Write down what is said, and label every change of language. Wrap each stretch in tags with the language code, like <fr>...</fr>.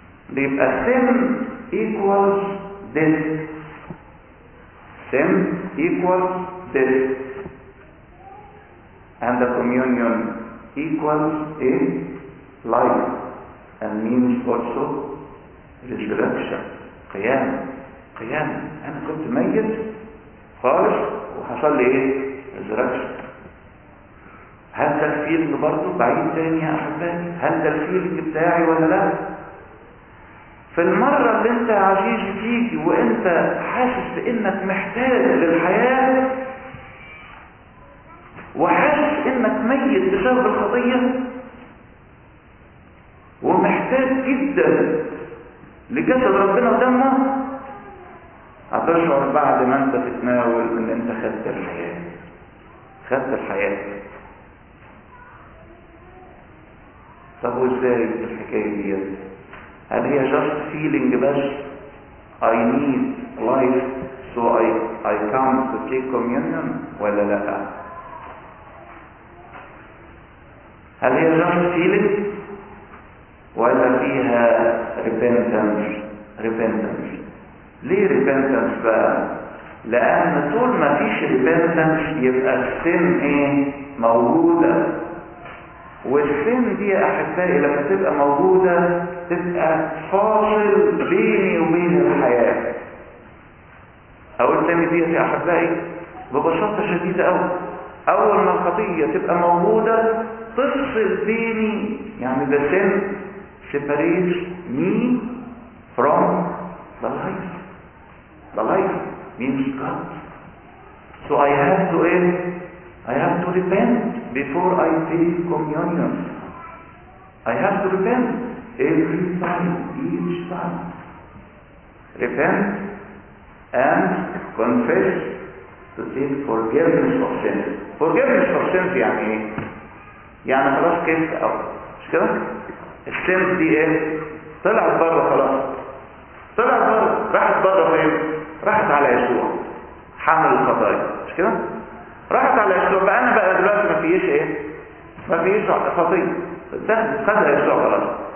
<en>بيبقى sin equals death. Sin equals death. And the communion equals a life. And means also resurrection.</en> <ar>قيامة. قيامة. أنا كنت ميت خالص وحصل لي إيه؟ resurrection. هل ده الفيلنج برضه بعيد تاني يا أحبائي؟ هل ده الفيلنج بتاعي ولا لا؟ في المرة اللي أنت عزيز فيكي وأنت حاسس بأنك محتاج للحياة وحاسس أنك ميت بسبب الخطية ومحتاج جدا لجسد ربنا ودمه، هتشعر بعد ما أنت تتناول أن أنت خدت الحياة، خدت الحياة. طب وازاي الحكاية دي؟ هل هي</ar> <en>just feeling</en> <ar>بس؟</ar> <en>I need life so I come to take communion</en> <ar>ولا لا؟ هل هي just feeling ولا فيها repentance؟ repentance. ليه repentance بقى؟ لأن طول ما فيش repentance يبقى السن ايه؟ موجودة. والسن دي يا أحبائي لما تبقى موجودة تبقى فاصل بيني وبين الحياة. أقول تاني دي يا أحبائي ببساطة شديدة أوي، أول ما الخطية تبقى موجودة تفصل بيني، يعني ده سن</ar> <en>separates me from the life. The life means God. So I have to end. I have to repent before I take communion. I have to repent every time, each time. Repent and confess to take forgiveness of sin. Forgiveness of sin</en> <ar>يعني ايه؟ يعني خلاص كيف او مش كده؟ السن دي ايه؟ طلعت بره خلاص. طلعت بره، راحت بره فين؟ راحت على يسوع. حمل الخطايا، مش كده؟ راحت على يسوع، بقى انا بقى دلوقتي ما فيش ايه؟ ما فيش خطيه، ده خدها يسوع خلاص.</ar>